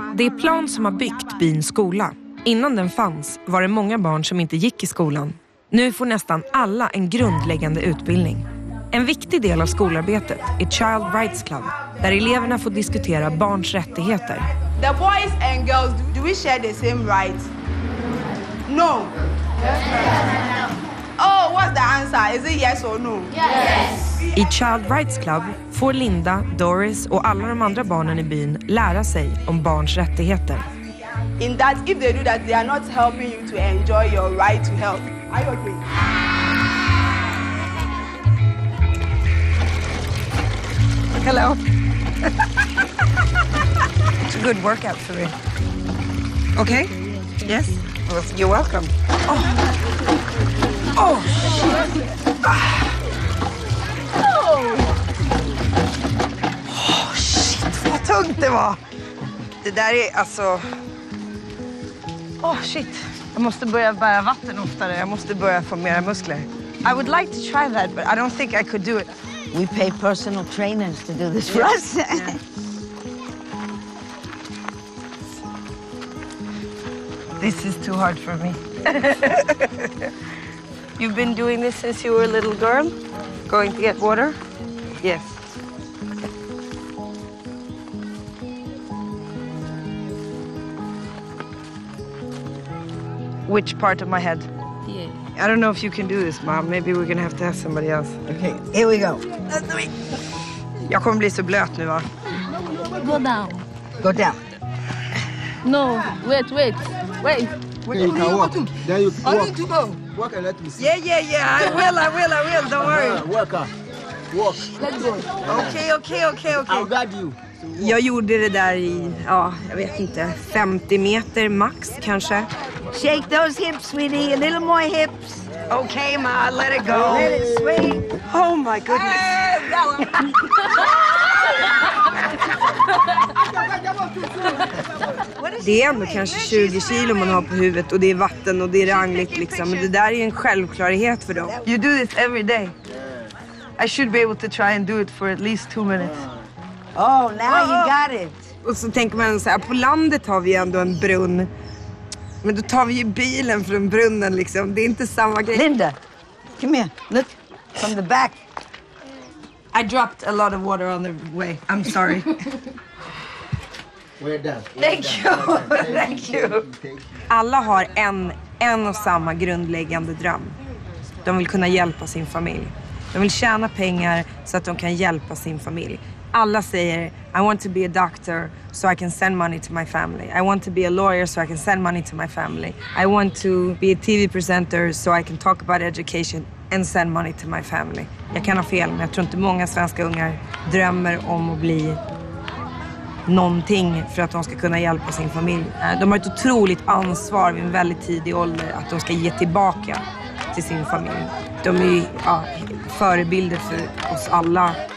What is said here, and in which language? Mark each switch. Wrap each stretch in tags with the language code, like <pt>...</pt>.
<sv>Det är Plan som har byggt byn skola. Innan den fanns var det många barn som inte gick i skolan. Nu får nästan alla en grundläggande utbildning. En viktig del av skolarbetet är Child Rights Club, där eleverna får diskutera barns rättigheter.</sv> <en>The boys and girls, do we share the same rights? No. Oh, what's the answer? Is it yes or no? Yes.</en> <sv>I Child Rights Club får Linda, Doris och alla de andra barnen i byn lära sig om barns rättigheter.</sv> <en>In that, if they do that, they are not helping you to enjoy your right to help. Are you okay? Hello. It's a good workout for me. Okay? Yes? Well, you're welcome. Oh. Oh shit,</en> <sv>vad tungt det var. Det där är alltså...</sv> <en>Oh shit,</en> <sv>jag måste börja bära vatten oftare. Jag måste börja få mer muskler.</sv> <en>I would like to try that, but I don't think I could do it. We pay personal trainers to do this for us. Yeah. This is too hard for me. You've been doing this since you were a little girl? Going to get water? Yes. Which part of my head? Yeah. I don't know if you can do this, Mom. Maybe we're going to have somebody else. Okay, here we go.</en> <sv>Jag kommer bli så blöt nu, va?</sv> <en>Go down. Go down. No, wait. There you go. Walk. There you go. I need to go. Walk and let me see. Yeah. I will. Don't worry. Walk. Let's go. Okay. I'll guide you.</en> <sv>Jag gjorde det där i, ja, jag vet inte, 50 meter max kanske.</sv> <en>Shake those hips, sweetie. A little more hips. Okay, ma, let it go. Let it sweep. Oh my goodness. Hey, that one.</en> <sv>Det är ändå kanske 20 kilo man har på huvudet och det är vatten och det är rangligt liksom. Men det där är ju en självklarhet för dem.</sv> <en>You do this every day. I should be able to try and do it for at least 2 minutes. Oh, now you got it.</en> <sv>Och så tänker man så här, på landet har vi ändå en brunn. Men då tar vi ju bilen från brunnen liksom. Det är inte samma grej.</sv> <en>Linda, come here. Look from the back. I dropped a lot of water on the way. I'm sorry. Well done. Thank you. Thank you.</en> <sv>Alla har en och samma grundläggande dröm. De vill kunna hjälpa sin familj. De vill tjäna pengar så att de kan hjälpa sin familj. Alla säger,</sv> <en>I want to be a doctor so I can send money to my family. I want to be a lawyer so I can send money to my family. I want to be a TV presenter so I can talk about education and send money to my family.</en> <sv>Jag kan ha fel, men jag tror inte många svenska ungar drömmer om att bli någonting för att de ska kunna hjälpa sin familj. De har ett otroligt ansvar vid en väldigt tidig ålder att de ska ge tillbaka till sin familj. De är ju förebilder för oss alla.</sv>